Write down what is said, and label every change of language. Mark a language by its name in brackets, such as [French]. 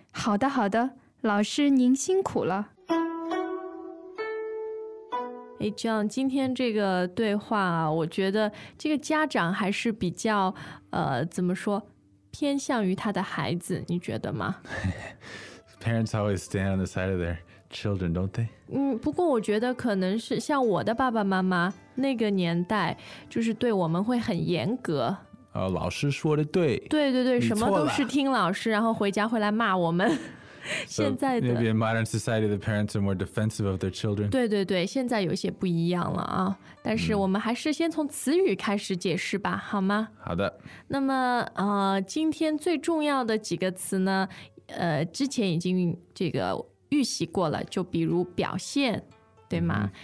[Chinese] 好的好的，老师您辛苦了。哎，这样今天这个对话啊，我觉得这个家长还是比较怎么说，偏向于他的孩子，你觉得吗？ [English] Parents always stand on the side of their children, don't they? [Chinese] 不过我觉得可能是像我的爸爸妈妈那个年代，就是对我们会很严格。老师说的对。对对对，什么都是听老师，然后回家会来骂我们。现在的 [English] so maybe in modern society, the parents are more defensive of their children. [Chinese] 对对对，现在有些不一样了啊。但是我们还是先从词语开始解释吧，好吗？好的。那么今天最重要的几个词呢，之前已经这个预习过了，就比如表现，对吗？